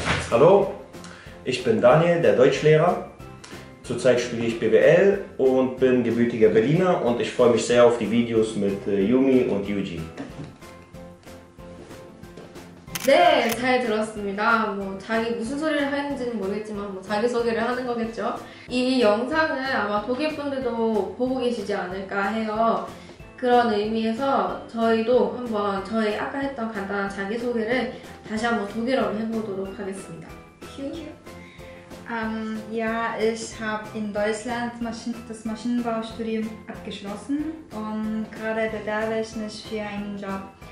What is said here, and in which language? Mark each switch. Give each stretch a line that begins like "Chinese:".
German: Hallo, ich bin Daniel, der Deutschlehrer. Zurzeit studiere ich BWL und bin gebürtiger Berliner und ich freue mich sehr auf die Videos mit Yumi und Yuji.
Korean: 네, 잘 들었습니다. 뭐 자기 무슨 소리를 하는지는 모르겠지만 뭐 자기소개를 하는 거겠죠. 이 영상을 아마 독일 분들도 보고 계시지 않을까 해요. 그런 의미에서 저희도 한번 저희 아까 했던 간단한 자기소개를 다시 한번 독일어로 해보도록 하겠습니다. 휴휴.
German: Ja, ich habe in Deutschland das Maschinenbaustudium abgeschlossen und gerade bewerbe ich mich für einen Job.